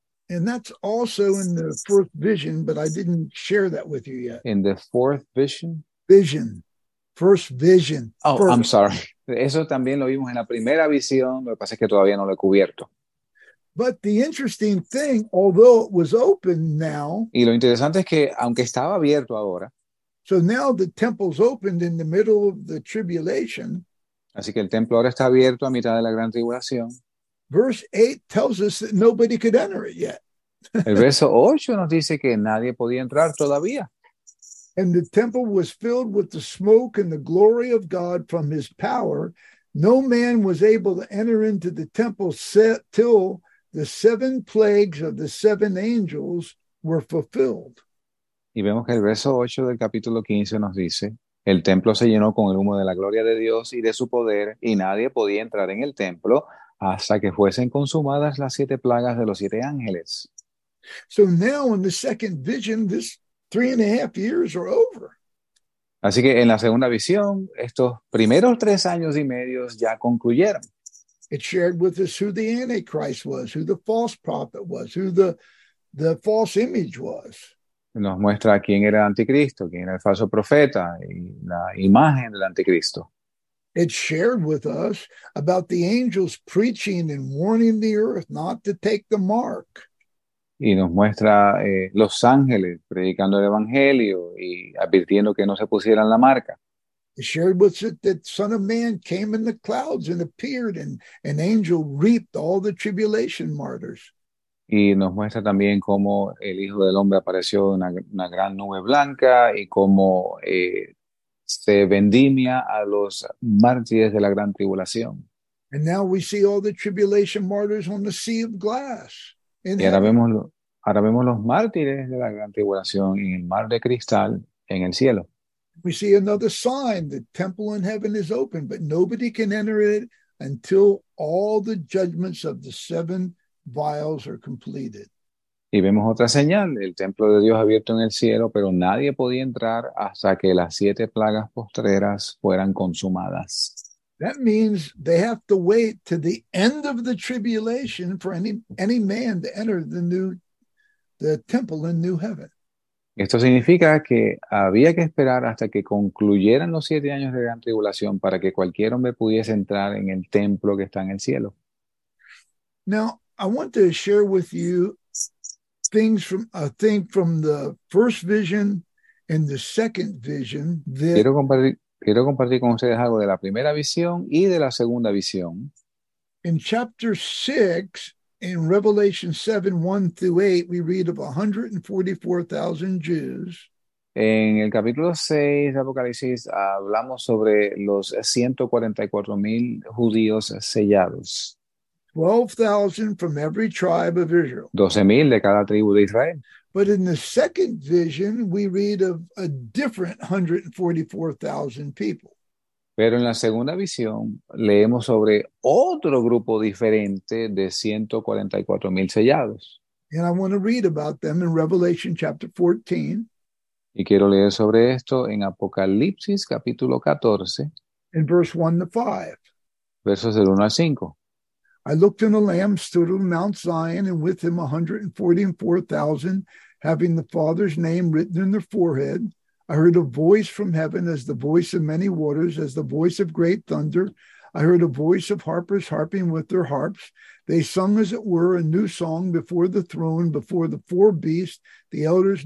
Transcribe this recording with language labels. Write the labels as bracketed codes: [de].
[en] And that's also in the fourth vision, but I didn't share that with you yet. In the fourth vision? Vision. First vision. Oh, first. I'm sorry. [es] Eso también lo vimos en la primera visión, lo que pasa es que todavía no lo he cubierto. [en] But the interesting thing, although it was open now. [es] Y lo interesante es que, aunque estaba abierto ahora. [en] So now the temple's opened in the middle of the tribulation. [es] Así que el templo ahora está abierto a mitad de la gran tribulación. [en] Verse 8 tells us that nobody could enter it yet. [es] El verso 8 nos dice que nadie podía entrar todavía. [en] And the temple was filled with the smoke and the glory of God from his power. No man was able to enter into the temple till the 7 plagues of the 7 angels were fulfilled. [es] Y vemos que el verso 8 del capítulo 15 nos dice, el templo se llenó con el humo de la gloria de Dios y de su poder, y nadie podía entrar en el templo hasta que fuesen consumadas las 7 plagas de los 7 ángeles. [en] So now in the second vision, this 3.5 years are over. [es] Así que en la segunda visión, estos primeros 3 años y medio ya concluyeron. [en] It shared with us who the Antichrist was, who the false prophet was, who the false image was. [es] Nos muestra quién era el anticristo, quién era el falso profeta y la imagen del anticristo. [en] It shared with us about the angels preaching and warning the earth not to take the mark. [es] Y nos muestra los ángeles predicando el evangelio y advirtiendo que no se pusieran la marca. [en] It shared with us that the Son of Man came in the clouds and appeared, and an angel reaped all the tribulation martyrs. [es] Y nos muestra también cómo el Hijo del Hombre apareció en una gran nube blanca y cómo se vendimia a los mártires de la gran tribulación. [en] And now we see all the tribulation martyrs on the sea of glass. [es] Y ahora vemos los mártires de la gran tribulación en el mar de cristal en el cielo. [en] We see another sign, the temple in heaven is open, but nobody can enter it until all the judgments of the seven vials are completed. [es] Y vemos otra señal, el templo de Dios abierto en el cielo, pero nadie podía entrar hasta que las 7 plagas postreras fueran consumadas. [en] That means they have to wait to the end of the tribulation for any man to enter the temple in new heaven. [es] Esto significa que había que esperar hasta que concluyeran los 7 años de gran tribulación para que cualquier hombre pudiese entrar en el templo que está en el cielo. [en] Now, I want to share with you things from a thing from the first vision and the second vision that [es] Quiero compartir con ustedes algo de la primera visión y de la segunda visión. [en] In chapter 6, in Revelation 7, 1 through 8, we read of 144,000 Jews. [es] En el capítulo 6 de Apocalipsis hablamos sobre los 144,000 judíos sellados. [en] 12,000 from every tribe of Israel. [es] 12,000 de cada tribu de Israel. [en] But in the second vision, we read of a different 144,000 people. [es] Pero en la segunda visión, leemos sobre otro grupo diferente de 144,000 sellados. [en] And I want to read about them in Revelation chapter 14. [es] Y quiero leer sobre esto en Apocalipsis capítulo 14. [en] In verse 1 to 5. [es] Versos del 1 al 5. [en] I looked and the Lamb stood on Mount Zion, and with him 144,000, having the Father's name written in their forehead. I heard a voice from heaven as the voice of many waters, as the voice of great thunder. I heard a voice of harpers harping with their harps. They sung, as it were, a new song before the throne, before the four beasts, the elders.